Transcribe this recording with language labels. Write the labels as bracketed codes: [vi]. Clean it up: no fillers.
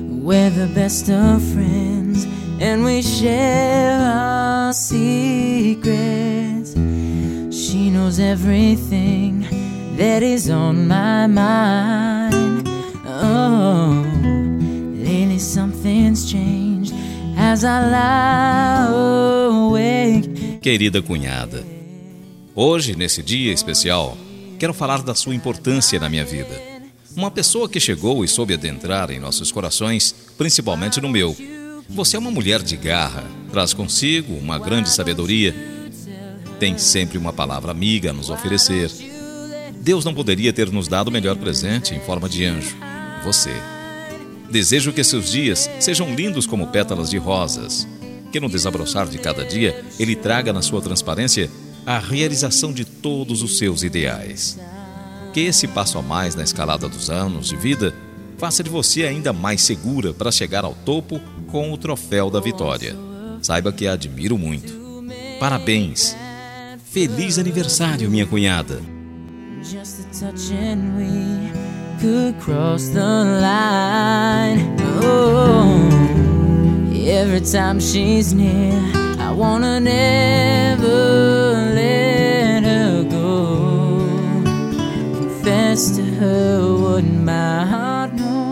[en] We're the best of friends, and we share our secrets. She knows everything that is on my mind. Oh, lately something's changed as I lie awake. [pt] Querida cunhada, hoje, nesse dia especial, quero falar da sua importância na minha vida. Uma pessoa que chegou e soube adentrar em nossos corações, principalmente no meu. Você é uma mulher de garra, traz consigo uma grande sabedoria. Tem sempre uma palavra amiga a nos oferecer. Deus não poderia ter nos dado o melhor presente em forma de anjo, você. Desejo que seus dias sejam lindos como pétalas de rosas. Que no desabrochar de cada dia, ele traga na sua transparência a realização de todos os seus ideais. Que esse passo a mais na escalada dos anos de vida faça de você ainda mais segura para chegar ao topo com o troféu da vitória. Saiba que a admiro muito. Parabéns! Feliz aniversário, minha cunhada! [en] Just a touch and we could cross the line. Oh, every time she's near, I wanna never let her go. Confess to her, wouldn't my heart know?